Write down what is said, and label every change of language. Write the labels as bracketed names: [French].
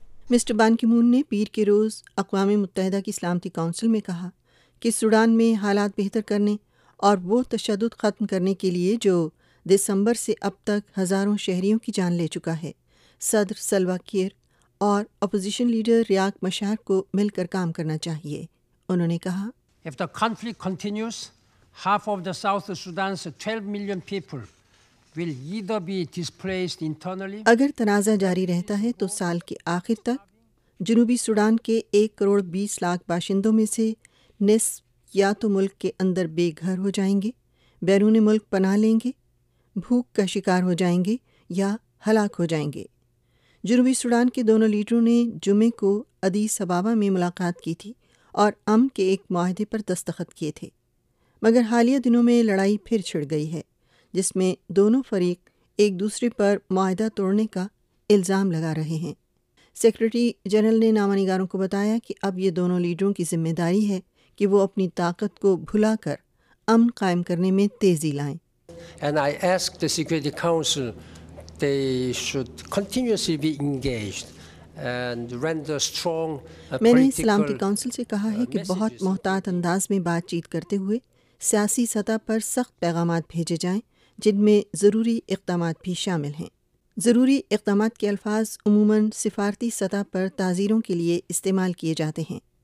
[Urdu] Mister بان کی مون نے پیر کے روز اقوام متحدہ کی سلامتی کونسل میں کہا کہ سوڈان میں حالات بہتر کرنے اور وہ تشدد ختم کرنے کے لیے جو دسمبر سے اب تک ہزاروں شہریوں کی جان لے چکا ہے، صدر سلوا کیر اور اپوزیشن لیڈر ریاک مشار کو مل کر کام کرنا چاہیے۔ انہوں نے کہا، [English] If the conflict continues, half of the South Sudan's 12 million people will either be displaced internally. [Urdu] اگر تنازع جاری رہتا ہے تو سال کے آخر تک جنوبی سوڈان کے 1,20,00,000 باشندوں میں سے نصف یا تو ملک کے اندر بے گھر ہو جائیں گے, بیرون ملک پناہ لیں گے, بھوک کا شکار ہو جائیں گے یا ہلاک ہو جائیں گے. جنوبی سوڈان کے دونوں لیڈروں نے جمعے کو ادیس ابابا میں ملاقات کی تھی اور امن کے ایک معاہدے پر دستخط کیے تھے, مگر حالیہ دنوں میں لڑائی پھر چھڑ گئی ہے جس میں دونوں فریق ایک دوسرے پر معاہدہ توڑنے کا الزام لگا رہے ہیں. سیکرٹری جنرل نے نامہ نگاروں کو بتایا کہ اب یہ دونوں لیڈروں کی ذمہ داری ہے کہ وہ اپنی طاقت کو بھلا کر امن قائم کرنے میں تیزی لائیں. [English] And I ask the Security Council, they should continuously be engaged and render strong political [Urdu] میں نے سلامتی کونسل سے کہا ہے کہ بہت محتاط انداز میں بات چیت کرتے ہوئے سیاسی سطح پر سخت پیغامات بھیجے جائیں جن میں ضروری اقدامات بھی شامل ہیں. ضروری اقدامات کے الفاظ عموماً سفارتی سطح پر تعزیروں کے لیے استعمال کیے جاتے ہیں.